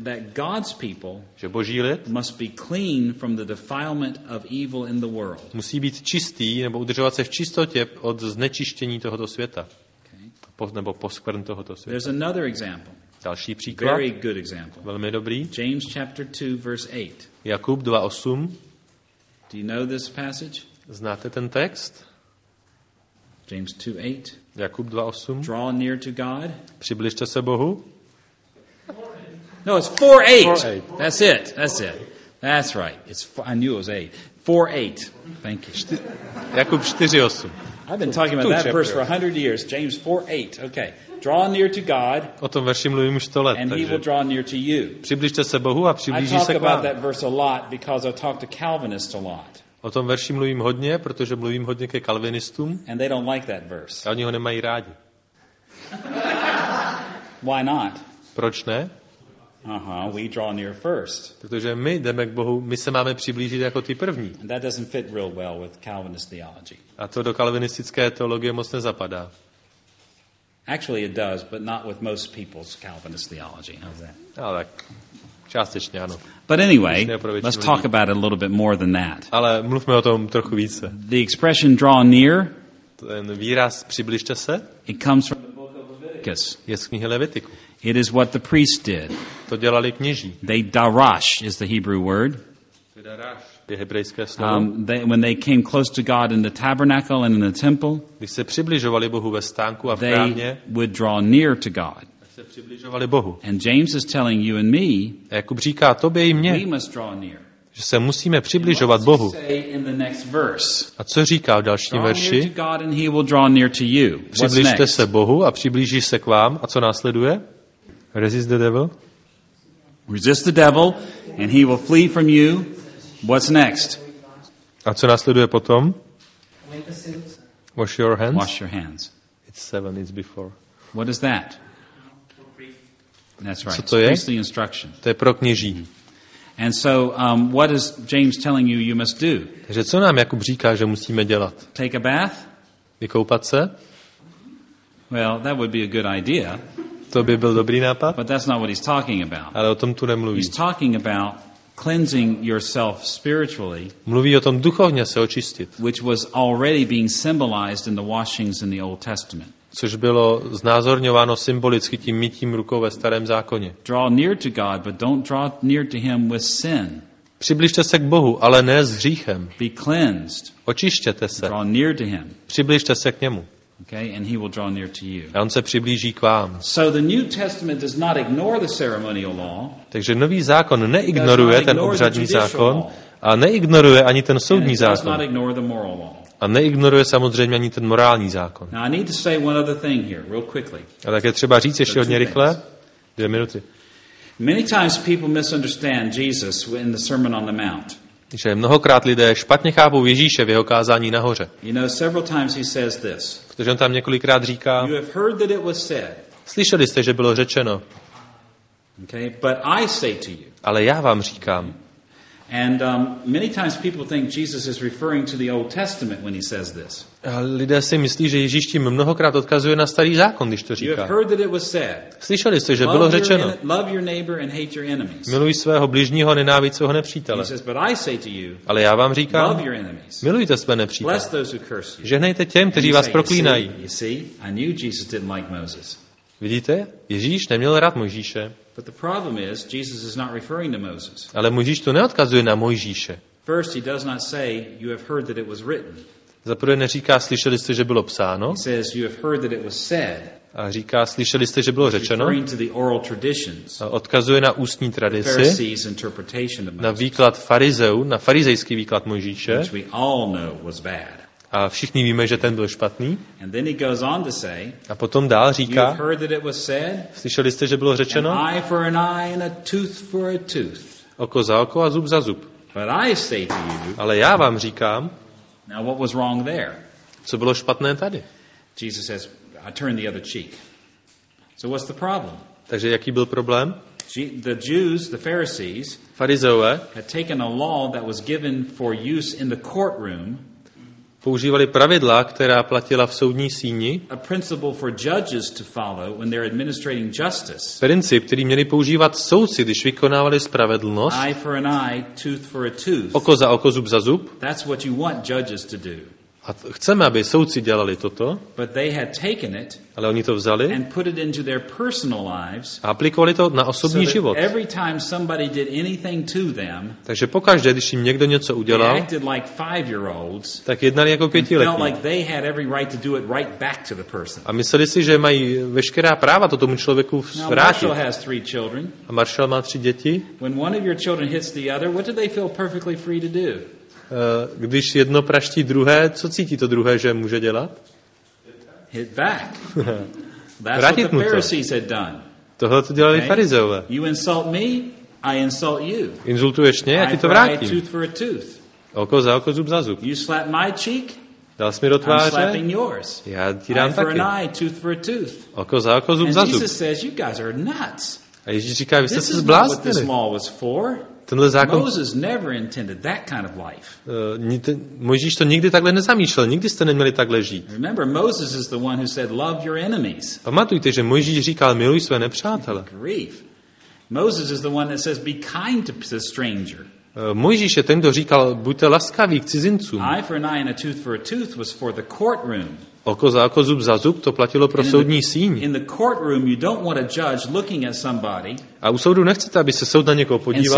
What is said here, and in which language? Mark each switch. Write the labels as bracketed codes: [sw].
[en] that God's people, [cs] že Boží lid [en] must be clean from the defilement of evil in the world. [cs] Musí být čistý nebo udržovat se v čistotě od znečištění tohoto světa. Nebo poskvrn tohoto světa. [en] There's another example. [cs] Další příklad. [en] Very good example. [cs] Velmi dobrý. [en] James chapter 2 verse 8. [cs] Jakub 2:8. [en] Do you know this passage? [cs] Znáte ten text? [en] James 2:8. [cs] Jakub 2:8. [en] Draw near to God. [cs] Přibližte se Bohu. [en] No, it's 4:8. That's it. That's it. That's right. It's I knew it was 8. 4:8. Thank you. [cs] Jakub 4:8. [en] I've been talking about that verse for 100 years. James 4:8. Okay. Draw near to God. [cs] O tom verši mluvím už 100 let. [en] And he will draw near to you. [cs] Přibližte se Bohu a přiblíží se k vám. [en] I talk about that verse a lot because I talk to Calvinists a lot. [cs] O tom verši mluvím hodně, protože mluvím hodně ke kalvinistům. [en] And they don't like that verse. [cs] A oni ho nemají rádi. [en] Why not? [cs] Proč ne? [en] We draw near first. [cs] Protože my jdeme k Bohu, my se máme přiblížit jako ty první. [en] And that doesn't fit real well with Calvinist theology. [cs] A to do kalvinistické teologie moc nezapadá. [en] Actually it does, but not with most people's Calvinist theology. How's that? [cs] No, tak částečně ano. [en] But anyway, let's talk about it a little bit more than that. [cs] Ale mluvme o tom trochu více. [en] The expression draw near, [cs] ten výraz přibližte se, [en] it comes from the book of Leviticus. [cs] Je z knihy Levitiku. [en] It is what the priests did. [cs] To dělali kněží. [en] They darash is the Hebrew word. [cs] Je hebrejské slovo. [en] They, when they came close to God in the tabernacle and in the temple, [cs] když se přibližovali Bohu ve stánku a v [en] they [cs] krámě, [en] would draw near to God. [cs] Se přibližovali Bohu. [en] And James is telling you and me, [cs] Jakub říká tobě i mně, [en] we must draw near. [cs] Že se musíme přibližovat Bohu. [en] Say in the next verse, [cs] a co říká v dalším verši? [en] Draw near to God and he will draw near to you. [cs] Přibližte se Bohu a přiblíží se k vám. A co následuje? [en] Resist the devil. Resist the devil and he will flee from you. What's next? [cs] A co následuje potom? [en] Wash your hands. Wash your hands. It's seven, it's before. What is that? That's right. [cs] Co to je? [en] It's priestly instruction. [cs] To je pro kněží. [en] And so what is James telling you you must do? [cs] Takže co nám Jakub říká, že musíme dělat? [en] Take a bath? [cs] Vykoupat se? [en] Well, that would be a good idea. [cs] To by byl dobrý nápad. [en] But that's not what he's talking about. [cs] Ale o tom tu nemluví. [en] He's talking about cleansing yourself spiritually. [cs] Mluví o tom duchovně se očistit. [en] Which was already being symbolized in the washings in the Old Testament. [cs] Což bylo znázorňováno symbolicky tím mytím rukou ve starém zákoně. [en] Draw near to God, but don't draw near to him with sin. [cs] Přibližte se k Bohu, ale ne s hříchem. [en] Be cleansed. [cs] Očištěte se. [en] Draw near to him. [cs] Přibližte se k němu. [en] Okay, and he will draw near to you. [cs] A on se přiblíží k vám. [en] So the New Testament does not ignore the ceremonial law. [cs] Takže nový zákon neignoruje ten obřadní zákon a neignoruje ani ten soudní zákon. [en] Does not ignore the moral law. [cs] A neignoruje samozřejmě ani ten morální zákon. [en] Now I need to say one other thing here, real quickly. [cs] A tak je třeba říct ještě hodně rychle. 2 minuty. [en] Many times people misunderstand Jesus in the Sermon on the Mount. [cs] Že mnohokrát lidé špatně chápou Ježíše v jeho kázání nahoře. [en] You know, several times he says this. [cs] Protože on tam několikrát říká, [en] you have heard that it was said. [cs] Slyšeli jste, že bylo řečeno. [en] Okay, but I say to you. [cs] Ale já vám říkám. [en] And many times people think Jesus is referring to the Old Testament when he says this. [cs] Lidé si myslí, že Ježíš tím mnohokrát odkazuje na starý zákon, když to říká. [en] You have heard that it was said. [cs] Slyšeli jste, že bylo řečeno. [en] Love your neighbor and hate your enemies. [cs] Miluj svého bližního, nenávidí svého nepřítele. [en] He says, but I say to you. [cs] Ale já vám říkám. [en] Love your enemies. [cs] Milujte své nepřítele. [en] Bless those who curse you. [cs] Žehnejte těm, kteří vás proklínají. [en] You see, I knew Jesus didn't like Moses. [cs] Vidíte? Ježíš neměl rád Mojžíše. [en] But the problem is Jesus is not referring to Moses. [cs] Ale Mojžíš to neodkazuje na Mojžíše. [en] First, he does not say, "You have heard that it was written." [cs] Za prvé neříká, slyšeli jste, že bylo psáno. [en] He says, "You have heard that it was said." [cs] A říká, slyšeli jste, že bylo řečeno. [en] Referring to the oral traditions. [cs] A odkazuje na ústní tradici. [en] Pharisee's interpretation of [cs] Moses. Na výklad farizeů, na farizejský výklad Mojžíše. [en] Which we all know was bad. [cs] A všichni víme, že ten byl špatný. [en] And then he goes on to say, [cs] a potom dál říká, [en] "You have heard that it was said." [cs] Slyšeli jste, že bylo řečeno. [en] An eye for an eye and a tooth for a tooth. [cs] Oko za oko a zub za zub. [en] But I say to you, [cs] ale já vám říkám, [en] now what was wrong there? [cs] Co bylo špatné tady? [en] Jesus says, "I turned the other cheek." So what's the problem? [cs] Takže jaký byl problém? [en] The Jews, the Pharisees, [cs] farizeové, [en] had taken a law that was given for use in the courtroom. [cs] Používali pravidla, která platila v soudní síni. [en] A principle for judges to follow when they're administrating justice. [cs] Princip, který měli používat soudci, když vykonávali spravedlnost. [en] Eye for an eye, tooth for a tooth. [cs] Oko za oko, zub za zub. [en] That's what you want judges to do. [cs] A chceme, aby soudci dělali toto. [en] But they had taken it. [cs] Ale oni to vzali. [en] And put it into their personal lives. [cs] A aplikovali to na osobní [en] so [cs] život. [en] Every time somebody did anything to them. [cs] Takže pokaždé, když jim někdo něco udělal. [en] They acted like 5-year-olds. [cs] Tak jednali jako pětiletí. [en] Felt like they had every right to do it right back to the person. [cs] A mysleli si, že mají veškerá práva to tomu člověku vrátit. [en] Now, Marshall has 3 children. [cs] A Marshall má 3 děti. [en] When one of your children hits the other, what do they feel perfectly free to do? [cs] Když jedno praští druhé, co cítí to druhé, že může dělat? [en] Hit back. That's [cs] vrátit [en] what the Pharisees had done. [cs] Tohle to dělali okay? Farizeové. [en] You insult me, I insult you. [cs] Insultuješ mě, já ti to vrátím. [en] Eye tooth for a tooth. [cs] Oko za oko, zub za zub. [en] You slap my cheek, [cs] dal jsi mi do tváře, [en] I'm slapping yours. [cs] Já ti dám [en] eye [cs] taky. [en] For an eye, tooth for a tooth. [cs] Oko za oko, zub [en] And [cs] za zub. [en] Jesus says, you guys are nuts. [cs] A Ježíš říká, vy jste se zbláznili. Tenhle zákon, [en] Moses never intended that kind of life. [cs] Mojžíš to nikdy takhle nezamýšlel, nikdy jste neměli takhle žít. [en] Remember, Moses is the one who said, "Love your enemies." [cs] Pamatujte, že Mojžíš říkal, miluj své nepřátele. [en] Grief. Moses is the one that says, "Be kind to the stranger." [cs] Mojžíš je ten, kdo říkal, buďte laskaví k cizincům. [en] Eye for an eye and a tooth for a tooth was for the courtroom. [cs] Oko za oko, zub za zub, to platilo pro soudní síň. [en] In the courtroom you don't want a judge looking at somebody. [cs] A u soudu nechcete, aby se soud na někoho podíval.